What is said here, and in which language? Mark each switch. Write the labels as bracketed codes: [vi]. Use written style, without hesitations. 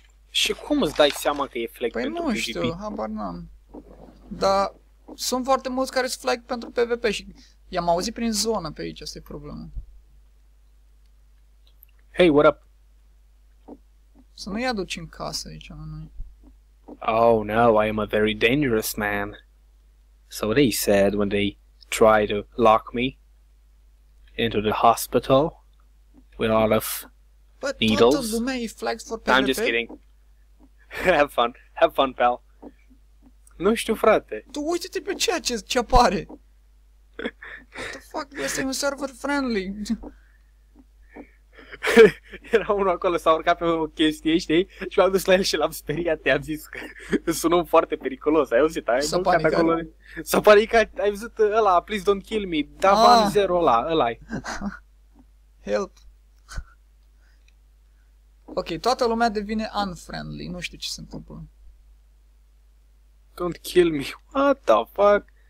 [ro] Și cum îți dai seama că e flag păi pentru PvP? Păi nu știu, habar n-am. Dar sunt foarte mulți care sunt flag pentru PvP și i-am auzit prin zonă pe aici, asta e problema. [en] Hey, what up? [ro] Să nu-i aduci în casă aici la noi. [en] Oh no, I am a very dangerous man. So they said when they tried to lock me into the hospital with all of but needles. But [ro] toată lumea e [en] flags for PvP. I'm just kidding. Have fun. Have fun, pal. [ro] Nu știu, frate. Tu uite-te pe ceea ce apare. [en] What the fuck? [ro] Este un server friendly. Era unul acolo, s-a urcat pe o chestie, știi? Și m-am dus la el și l-am speriat, i-am zis că sună foarte periculos, ai auzit? Ai s-a acolo. S-a panicat, ai văzut ăla, [en] please don't kill me, [ro] da, ah. Van zero ăla, ăla-i. [en] Help. [ro] Ok, toată lumea devine unfriendly, nu știu ce se întâmplă. [en] Don't kill me, what the fuck?